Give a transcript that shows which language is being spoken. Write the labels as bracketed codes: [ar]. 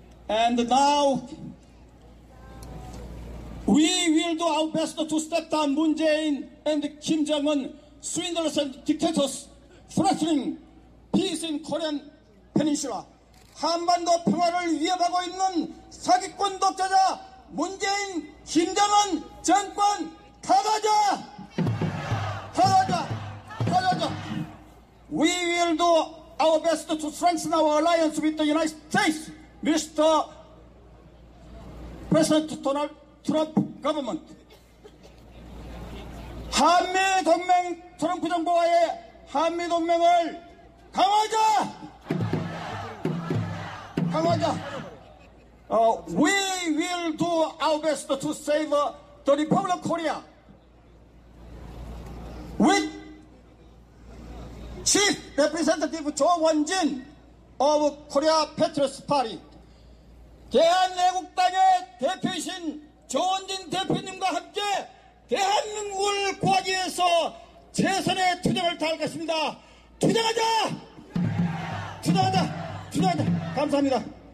[en] And now we will do our best to step down Moon Jae-in and Kim Jong-un, swindlers and dictators, threatening peace in Korean Peninsula. [ko] 한반도 평화를 위협하고 있는 사기꾼 독재자 문재인, 김정은 정권 다 가자! 다 가자! 다 가자! [en] We will do our best to strengthen our alliance with the United States, Mr. President Donald Trump government. [ko] 한미동맹 트럼프 정부와의 한미동맹을 강화하자! 강화하자! [en] We will do our best to save the Republic of Korea with Chief Representative Cho Won-jin of Korea Patriots Party. [ko] 대한애국당의 대표이신 조원진 대표님과 함께 대한민국을 구하기 위해서 최선의 투쟁을 다하겠습니다. 투쟁하자! 투쟁하자! 투쟁하자! 감사합니다.